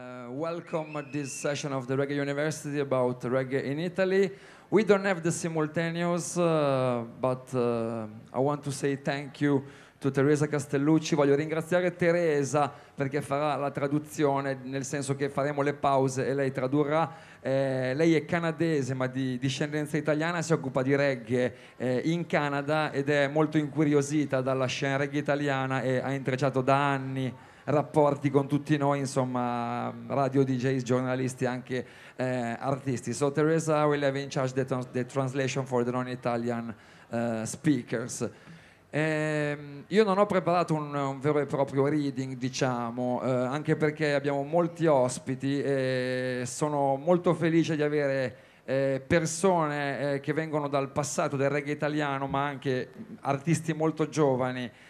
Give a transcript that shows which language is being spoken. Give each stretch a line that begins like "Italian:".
English: Welcome to this session of the Reggae University about reggae in Italy. We don't have the simultaneous, but I want to say thank you to Teresa Castellucci.
Italian: Voglio ringraziare Teresa perché farà la traduzione, nel senso che faremo le pause e lei tradurrà. Lei è canadese ma di discendenza italiana, si occupa di reggae in Canada ed è molto incuriosita dalla scena reggae italiana e ha intrecciato da anni rapporti con tutti noi, insomma, radio DJs, giornalisti, anche artisti.
English: So Teresa will have in charge the translation for the non-Italian speakers.
Italian: Io non ho preparato un vero e proprio reading, diciamo, anche perché abbiamo molti ospiti e sono molto felice di avere persone che vengono dal passato del reggae italiano, ma anche artisti molto giovani.